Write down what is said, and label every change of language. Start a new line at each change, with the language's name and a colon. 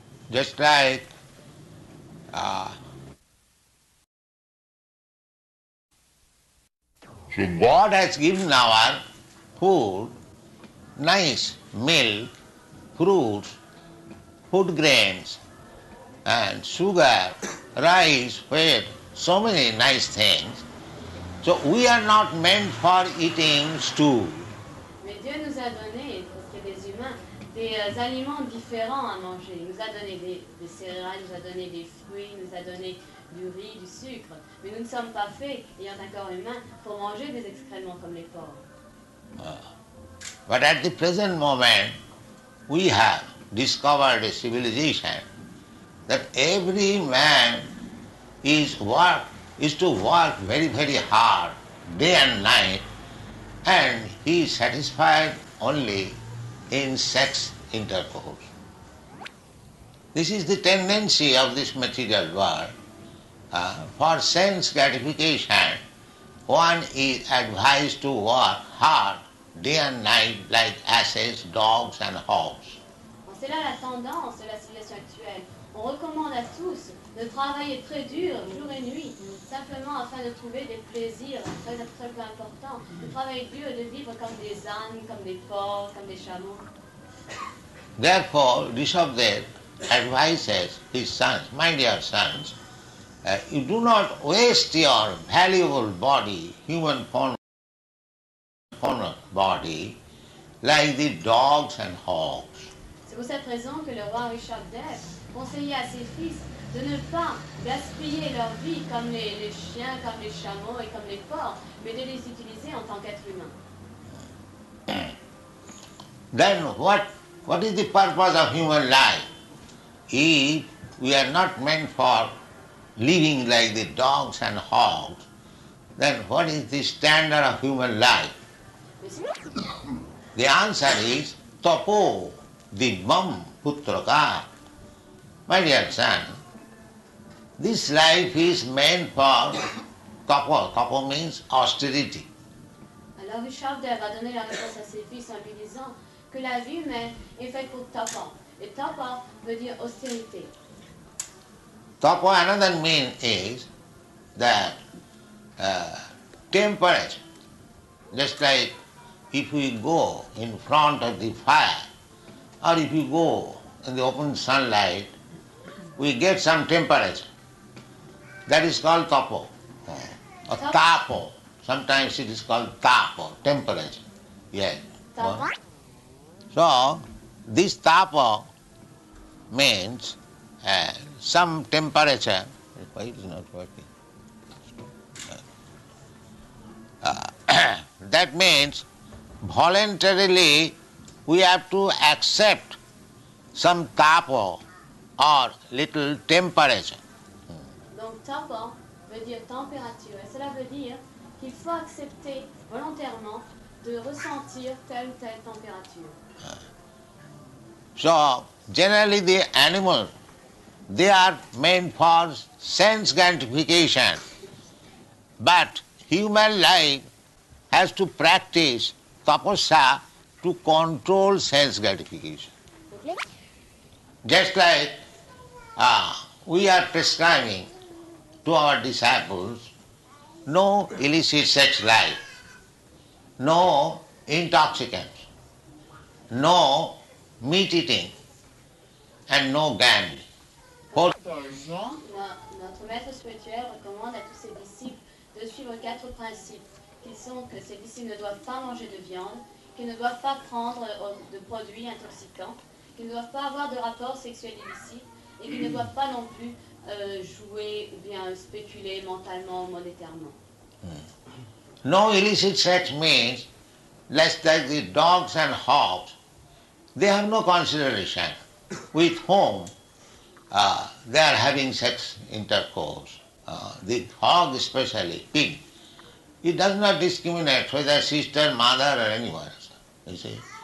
English: Just like so God has given our food, nice milk, fruits, food grains, and sugar, rice, wheat, so many nice things. So we are not meant for eating stew.
French: Mais Dieu nous a donné, parce qu'il y a des humains, des aliments différents à manger. Il nous a donné des céréales, il nous a donné des fruits, il nous a donné du riz, du sucre. Mais nous ne sommes pas faits, ayant un corps humain, pour manger des excréments comme les porcs.
English: But at the present moment, we have discovered a civilization that every man is to work very, very hard, day and night, and he is satisfied only in sex intercourse. This is the tendency of this material world. For sense gratification, one is advised to work hard, day and night, like asses, dogs and hogs.
French: C'est là la tendance de la civilisation actuelle. On recommande à tous de travailler très dur, jour et nuit, simplement afin de trouver des plaisirs très, très, très importants. De travailler dur et de vivre comme des ânes, comme des porcs, comme des chameaux.
English: Therefore, Rishabdev advises his sons, my dear sons, you do not waste your valuable body, human body, like the dogs and hogs.
French: C'est pour cette raison que le roi Rishabdev conseillait à ses fils de ne pas gaspiller leur vie comme les chiens, comme les chameaux et comme les porcs, mais de les utiliser en tant qu'êtres humains.
English: Then what is the purpose of human life if we are not meant for living like the dogs and hogs? Then what is the standard of human life? The answer is
Sanskrit: tapo dibbam putraka.
English: My dear son, this life is meant for tapo. Tapo means austerity.
French: Alors Rishabdev a donné la réponse à ses fils en lui disant que la vie humaine est faite pour tapo. Et tapo veut dire austérité.
English: Tapo another mean is that temperance, just like if we go in front of the fire, or if you go in the open sunlight, we get some temperature. That is called tapo. Or tapo. Sometimes it is called tapo, temperature. Yes. Tapo. So this tapo means some temperature. Why it is not working? that means voluntarily, we have to accept some tapo or little temperature.
French: Donc tapo veut dire température et cela veut dire qu'il faut accepter volontairement de ressentir telle ou telle température.
English: So generally the animals, they are meant for sense gratification, but human life has to practice tapasya to control sense gratification. Just like we are prescribing to our disciples, no illicit sex life, no intoxicants, no meat eating, and no gambling.
French: Notre maître spirituel recommande à tous ses disciples de suivre quatre principes, qui sont que ses disciples ne doivent pas manger de viande, qu'ils ne doivent pas prendre de produits intoxicants, qu'ils ne doivent pas avoir de rapports sexuels illicites, et qu'ils ne doivent pas non plus jouer ou bien spéculer mentalement ou monétairement.
English: No illicit sex means, less like the dogs and hogs, they have no consideration with whom they are having sex intercourse. The hog especially, pig, it does not discriminate whether sister, mother or anyone else, you see.